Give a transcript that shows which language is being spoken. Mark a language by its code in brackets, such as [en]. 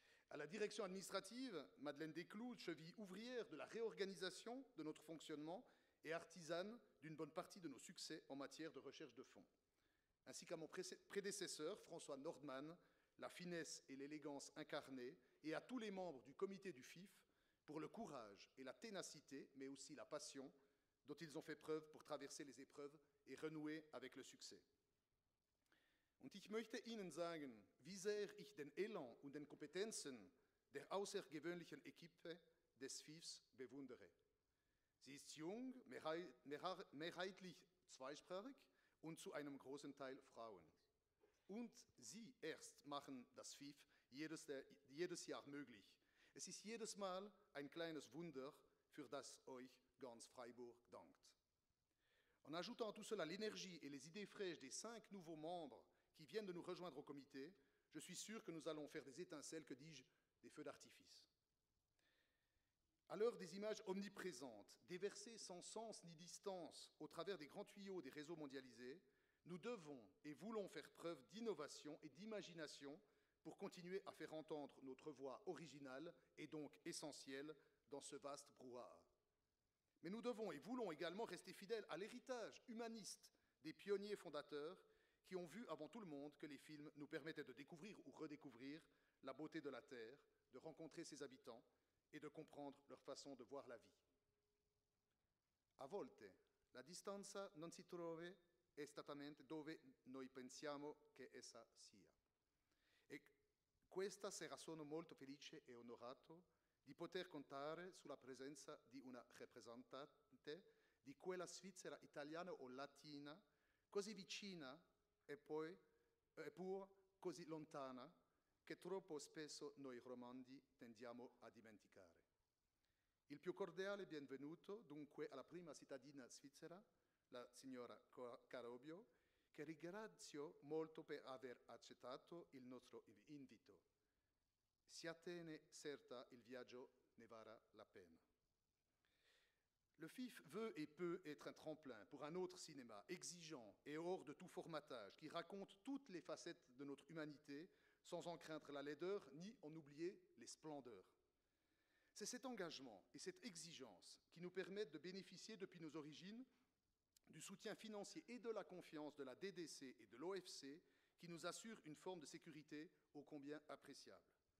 [fr] À la direction administrative, Madeleine Descloux, cheville ouvrière de la réorganisation de notre fonctionnement et artisane d'une bonne partie de nos succès en matière de recherche de fonds, ainsi qu'à mon prédécesseur François Nordmann, la finesse et l'élégance incarnées, et à tous les membres du comité du FIF pour le courage et la ténacité, mais aussi la passion dont ils ont fait preuve pour traverser les épreuves et renouer avec le succès. [de] Und ich möchte Ihnen sagen, wie sehr ich den Elan und den Kompetenzen der außergewöhnlichen Equipe des FIFs bewundere. Sie ist jung, mehrheitlich zweisprachig und zu einem großen Teil Frauen. Und sie erst machen das FIF jedes Jahr möglich. Es ist jedes Mal ein kleines Wunder, für das euch ganz Freiburg dankt. [fr] En ajoutant à tout cela l'énergie et les idées fraîches des cinq nouveaux membres qui viennent de nous rejoindre au comité, je suis sûr que nous allons faire des étincelles, que dis-je, des feux d'artifice. À l'heure des images omniprésentes, déversées sans sens ni distance au travers des grands tuyaux des réseaux mondialisés, nous devons et voulons faire preuve d'innovation et d'imagination pour continuer à faire entendre notre voix originale et donc essentielle dans ce vaste brouhaha. Mais nous devons et voulons également rester fidèles à l'héritage humaniste des pionniers fondateurs qui ont vu avant tout le monde que les films nous permettaient de découvrir ou redécouvrir la beauté de la Terre, de rencontrer ses habitants et de comprendre leur façon de voir la vie. [it] A volte, la distanza non si trova esattamente dove noi pensiamo che essa sia. E questa sera sono molto felice e onorato di poter contare sulla presenza di una rappresentante di quella Svizzera italiana o latina, così vicina e poi, eppure così lontana, che troppo spesso noi romandi tendiamo a dimenticare. Il più cordiale benvenuto dunque alla prima cittadina svizzera, la signora Carobbio, che ringrazio molto per aver accettato il nostro invito. Siatene certa, il viaggio ne varrà la pena. [fr] Le FIF veut et peut être un tremplin pour un autre cinéma, exigeant et hors de tout formatage, qui raconte toutes les facettes de notre humanité, sans en craindre la laideur, ni en oublier les splendeurs. C'est cet engagement et cette exigence qui nous permettent de bénéficier depuis nos origines du soutien financier et de la confiance de la DDC et de l'OFC qui nous assure une forme de sécurité ô combien appréciable.